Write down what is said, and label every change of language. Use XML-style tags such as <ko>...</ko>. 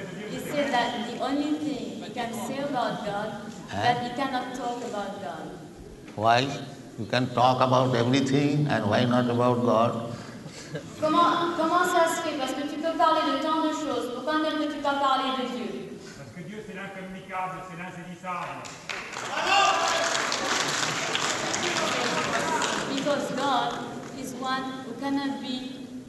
<en>He said that the only thing he can say about God is that he cannot talk about God. Why? You can talk about everything, and why not about God?</en> <fr>Comment ça se fait? Parce que tu peux parler de tant de choses. Pourquoi ne peux-tu pas parler de Dieu? Parce que Dieu c'est l'incommunicable, c'est l'insaisissable.</fr> <en>Because God is one who cannot be.</en>